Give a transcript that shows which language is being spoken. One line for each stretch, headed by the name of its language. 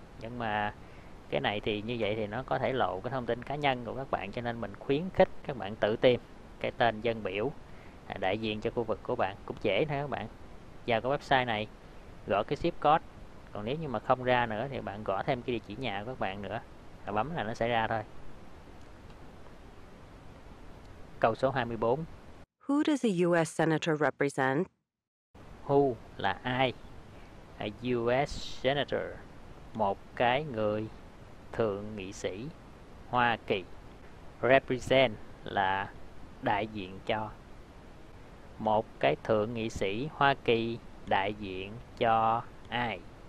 Vietnamese: Nhưng mà cái này thì như vậy thì nó có thể lộ cái thông tin cá nhân của các bạn, cho nên mình khuyến khích các bạn tự tìm cái tên dân biểu đại diện cho khu vực của bạn. Cũng dễ thôi, các bạn vào cái website này gõ cái zip code, còn nếu như mà không ra nữa thì bạn gõ thêm cái địa chỉ nhà của các bạn nữa, bấm là nó sẽ ra thôi. Câu số 24.
English: Who does a US senator represent? Who
Vietnamese: là ai?
English: A US senator,
Vietnamese: một cái người thượng nghị sĩ Hoa Kỳ.
English: Represent
Vietnamese: là đại diện cho. Một cái thượng nghị sĩ Hoa Kỳ đại diện cho ai?